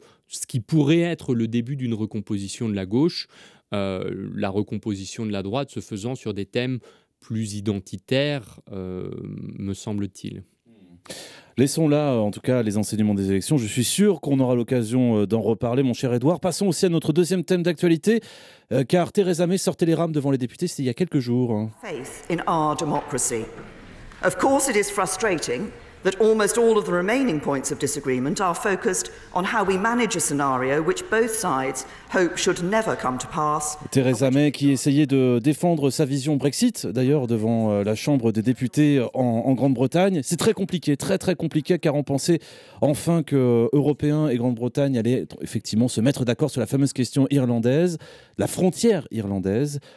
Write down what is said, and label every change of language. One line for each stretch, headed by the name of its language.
French: ce qui pourrait être le début d'une recomposition de la gauche, la recomposition de la droite se faisant sur des thèmes plus identitaires, me semble-t-il. Laissons là, en tout cas, les enseignements des élections. Je suis sûr qu'on aura l'occasion d'en reparler, mon cher Edouard. Passons aussi à notre deuxième thème d'actualité, car Theresa May sortait les rames devant les députés, c'était il y a quelques jours.
English: Faith in our democracy. Of course, it is frustrating that almost all of the remaining points of disagreement are focused on how we manage a scenario which both sides hope should never come to pass.
French: Theresa May qui essayait de défendre sa vision Brexit, d'ailleurs devant la Chambre des députés en Grande-Bretagne. C'est très compliqué, très très compliqué, car on pensait enfin que Européens et Grande-Bretagne allaient effectivement se mettre d'accord sur la fameuse question irlandaise, la frontière irlandaise.